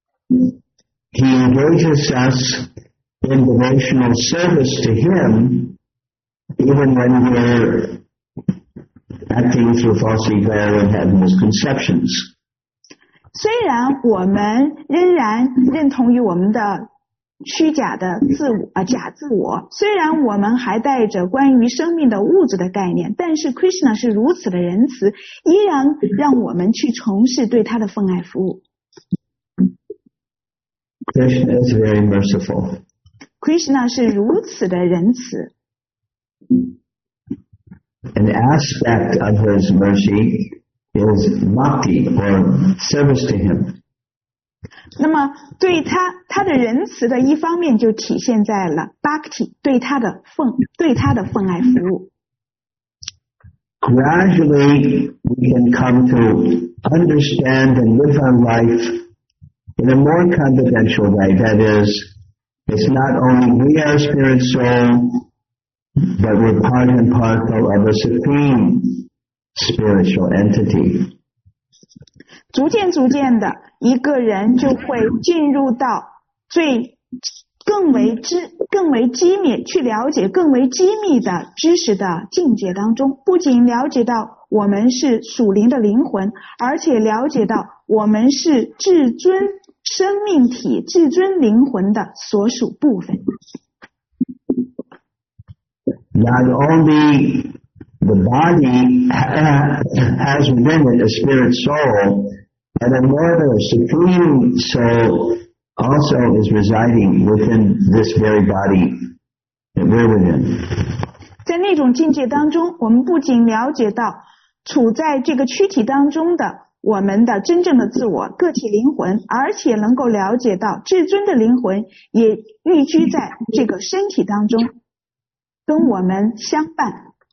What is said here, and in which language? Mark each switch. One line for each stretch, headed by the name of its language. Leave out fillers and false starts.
English: He engages us in devotional service to him, even when we're acting through false ego and have misconceptions.
Chinese: 虽然我们仍然认同于我们的虚假的自我啊假自我，虽然我们还带着关于生命的物质的概念，但是 Krishna 是如此的仁慈，依然让我们去从事对他的奉爱服务。
English: Krishna is very merciful.
Chinese: Krishna 是如此的仁慈。
English: An aspect of his mercy is bhakti or service to him.
Chinese: 那么对他的仁慈的一方面就体现在了 Bhakti 对他的奉爱服务。
English: Gradually we can come to understand and live our life in a more confidential way. That is, it's not only we are spirit soul, but we're part and parcel of a supreme spiritual entity.
Chinese: 逐渐逐渐的，一个人就会进入到最更为机密，去了解更为机密的知识的境界当中，不仅了解到我们是属灵的灵魂，而且了解到我们是至尊生命体、至尊灵魂的所属部分。
English: Not only the body has within it a spirit soul, and another supreme soul also is residing within this very body that we're within.
Chinese: 在那种境界当中，我们不仅了解到处在这个躯体当中的我们的真正的自我个体灵魂，而且能够了解到至尊的灵魂也寓居在这个身体当中，跟我们相伴。